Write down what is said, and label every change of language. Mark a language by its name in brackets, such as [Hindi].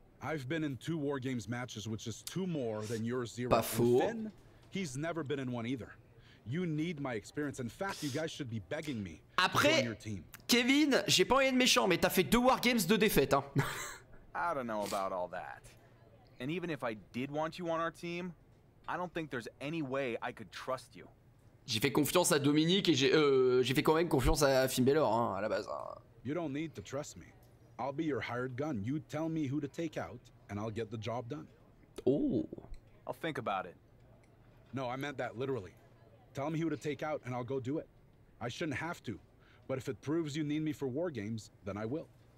[English] I've been in 2 war games matches, which is 2 more than your 0. [French] Pas faux. [English] Finn, he's never been in one either. You need my experience. In fact, you guys should be begging me. [French] Après, Kevin, j'ai pas envie de méchant, mais t'as fait 2 war games de défaite, hein. [English] I don't know about all that. And even if I did want you on our team, I don't think there's any way I could trust you. [French] J'ai fait confiance à Dominique et j'ai fait quand même confiance à Finn Balor, hein, à la base. Hein. [English] You don't need to trust me. I'll be your hired gun. You tell me who to take out, and I'll get the job done. Oh. I'll think about it. No, I meant that literally. Tell me who to take out, and I'll go do it. I shouldn't have to, but if it proves you need me for war games, then I will.